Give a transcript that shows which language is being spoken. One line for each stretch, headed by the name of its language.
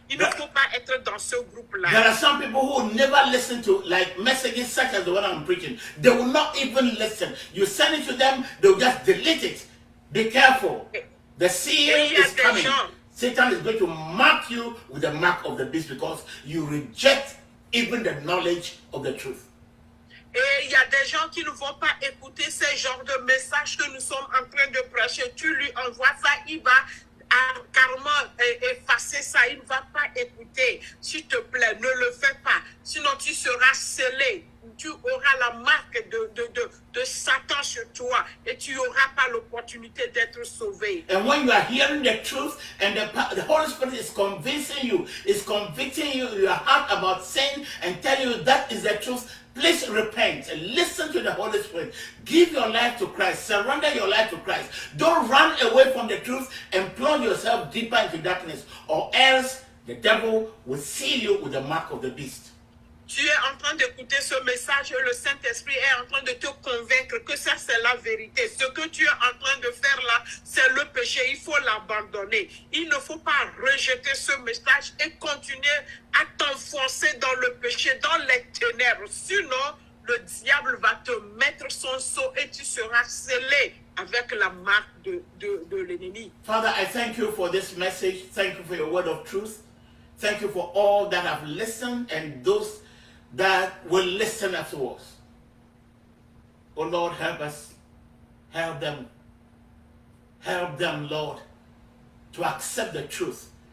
French: Il ne faut pas être dans ce groupe-là.
English: There are some people who never listen to like messages such as the one I'm preaching. They will not even listen. You send it to them, they'll just delete it. Be careful. The seal is coming. Satan is going to mark you with the mark of the beast because you reject even the knowledge of the truth.
French: Et il y a des gens qui ne vont pas écouter ce genre de message que nous sommes en train de prêcher. Tu lui envoies ça, il va carrément effacer ça. Il ne va pas écouter. S'il te plaît, ne le fais pas. Sinon, tu seras scellé. Tu auras la marque de Satan sur toi et tu n'auras pas l'opportunité d'être sauvé.
English: And when you are hearing the truth and the Holy Spirit is convicting you, your heart about sin and telling you that is the truth, please repent. Listen to the Holy Spirit. Give your life to Christ. Surrender your life to Christ. Don't run away from the truth and plunge yourself deeper into darkness, or else the devil will seal you with the mark of the beast.
French: Tu es en train d'écouter ce message et le Saint-Esprit est en train de te convaincre que ça, c'est la vérité. Ce que tu es en train de faire là, c'est le péché. Il faut l'abandonner. Il ne faut pas rejeter ce message et continuer à t'enfoncer dans le péché, dans les ténèbres. Sinon, le diable va te mettre son sceau et tu seras scellé avec la marque de l'ennemi.
English: Father, I thank you for this message. Thank you for your word of truth. Thank you for all that have listened and those that will listen afterwards. Oh Lord, help us. Help them. Help them, Lord, to accept the truth.